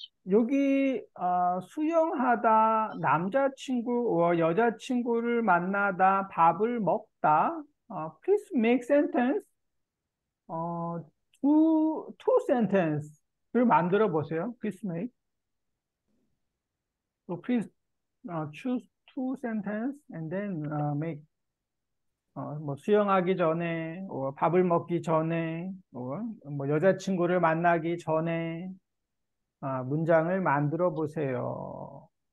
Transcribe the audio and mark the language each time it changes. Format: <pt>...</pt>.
<ko>여기 수영하다, 남자친구, 여자친구를 만나다, 밥을 먹다.</ko> <en>Please make sentence. Two sentence를</en> <ko>만들어 보세요.</ko> <en>Please make. So please choose two sentence and then make.</en> <ko>수영하기 전에, 밥을 먹기 전에, 여자친구를 만나기 전에, 문장을 만들어 보세요.</ko>